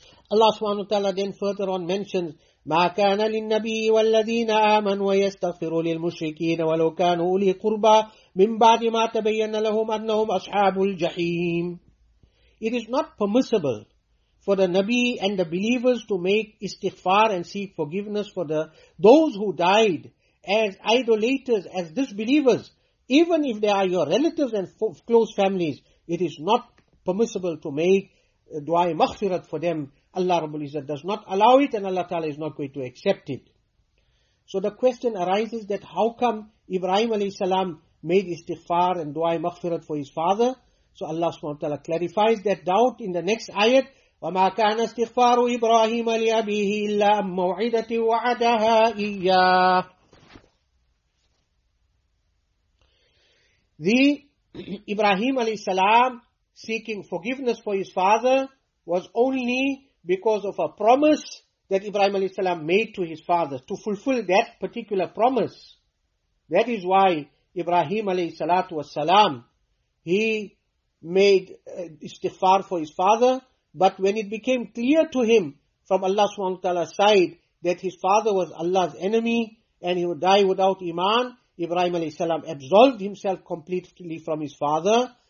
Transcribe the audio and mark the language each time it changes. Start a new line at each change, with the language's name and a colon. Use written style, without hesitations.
English: Allah subhanahu wa ta'ala then further on mentions,
Arabic: مَا كَانَ لِلنَّبِيِّ وَالَّذِينَ آمَنُوا وَيَسْتَغْفِرُوا لِلْمُشْرِكِينَ وَلَوْ كَانُوا أُولِي قُرْبَى مِنْ بَعْدِ مَا تَبَيَّنَ لَهُمْ أَنَّهُمْ أَصْحَابُ الْجَحِيمِ.
English: It is not permissible for the Nabi and the believers to make istighfar and seek forgiveness for those who died as idolaters, as disbelievers, even if they are your relatives and close families. It is not permissible to make dua maghfirat for them. Allah Rabbul Izzat does not allow it, and Allah Ta'ala is not going to accept it. So the question arises that how come Ibrahim alayhi salam made istighfar and dua maghfirat for his father? So Allah subhanahu wa ta'ala clarifies that doubt in the next ayat,
Arabic: وما كان استغفار إبراهيم لأبيه إلا عن موعدة وعدها إياه.
English: The Ibrahim alayhi salam seeking forgiveness for his father was only because of a promise that Ibrahim alayhi salam made to his father to fulfill that particular promise. That is why Ibrahim alayhi salatu was salam, he made istighfar for his father, but when it became clear to him from Allah subhanahu wa ta'ala's side that his father was Allah's enemy and he would die without iman, Ibrahim alayhi salam absolved himself completely from his father.